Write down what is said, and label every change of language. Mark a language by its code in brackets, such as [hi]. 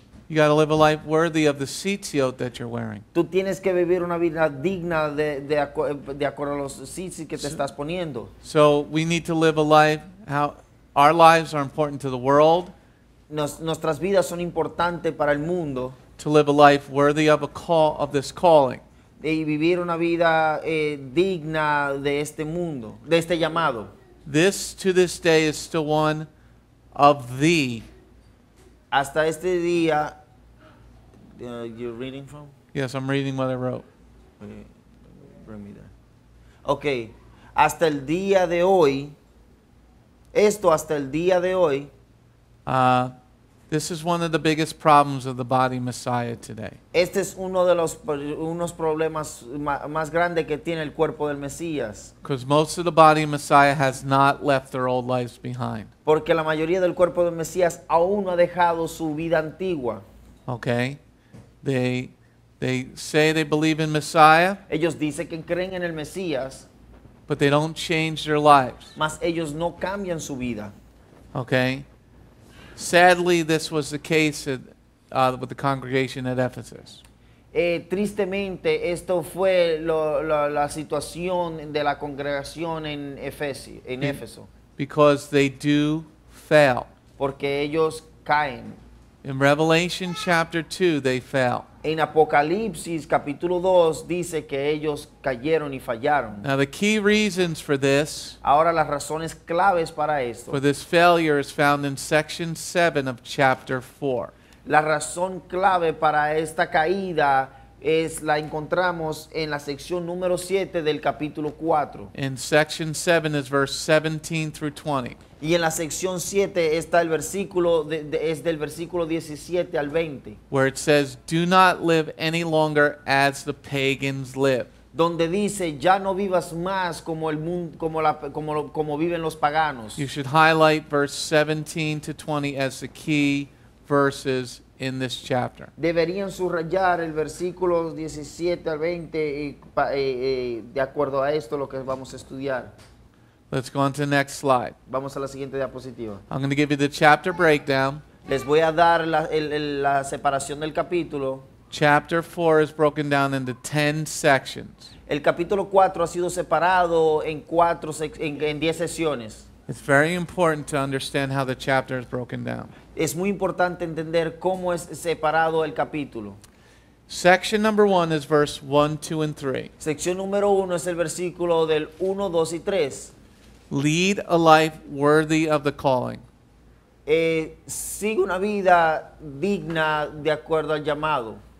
[en] You got to live a life worthy of the tzitzit that you're wearing. [es] Tú tienes que vivir una vida digna de acuerdo a los tzitzit que te estás poniendo. [en] So we need to live a life how our lives are important to the world. [es] Nuestras vidas son importantes para el mundo. [en] To live a life worthy of a call of this calling. [es] Y vivir una vida digna de este mundo, de este llamado. [en] This to this day is still one of the. [es] Hasta este día. [en] You're reading from? Yes, I'm reading what I wrote. Okay, bring me that. Okay, [es] hasta el día de hoy. Esto hasta el día de hoy. [en] This is one of the biggest problems of the body Messiah today. [es] Este es uno de los unos problemas más grande que tiene el cuerpo del Mesías. [en] Because most of the body Messiah has not left their old lives behind. [es] Porque la mayoría del cuerpo del Mesías aún no ha dejado su vida antigua. [en] Okay, they say they believe in Messiah. [es] Ellos dicen que creen en el Mesías. [en] But they don't change their lives. [es] Mas ellos no cambian su vida. [en] Okay. Sadly, this was the case with the congregation at Ephesus. [es] Tristemente, esto fue la situación de la congregación en Éfeso. [en] Because they do fail. [es] Porque ellos caen. [en] In Revelation chapter 2, they fail. [es] En Apocalipsis capítulo 2 dice que ellos cayeron y fallaron. [en] Now the key reasons for this. [es] Ahora las razones claves para esto. [en] For this failure is found in section 7 of chapter 4. [es] La razón clave para esta caída es la encontramos en la sección número 7 del capítulo 4. [en] In section 7 is verse 17 through 20. [es] Y en la sección 7 está el versículo, es del versículo 17 al 20. [en] Where it says, do not live any longer as the pagans live. [es] Donde dice, ya no vivas más como el mundo, como viven los paganos. [en] You should highlight verse 17 to 20 as the key verses in this chapter. [es] Deberían subrayar el versículo 17 al 20 de acuerdo a esto lo que vamos a estudiar. [en] Let's go on to the next slide. [es] Vamos a la siguiente diapositiva. [en] I'm going to give you the chapter breakdown. [es] Les voy a dar la separación del capítulo. [en] Chapter 4 is broken down into 10 sections. [es] El capítulo 4 ha sido separado en 10 sesiones. [en] It's very important to understand how the chapter is broken down. [es] Es muy importante entender cómo es separado el capítulo. [en] Section number 1 is verse 1, 2, and 3. [es] Sección número 1 es el versículo del 1, 2 y 3. [en] Lead a life worthy of the calling. [es] Sigue una vida digna de acuerdo al llamado.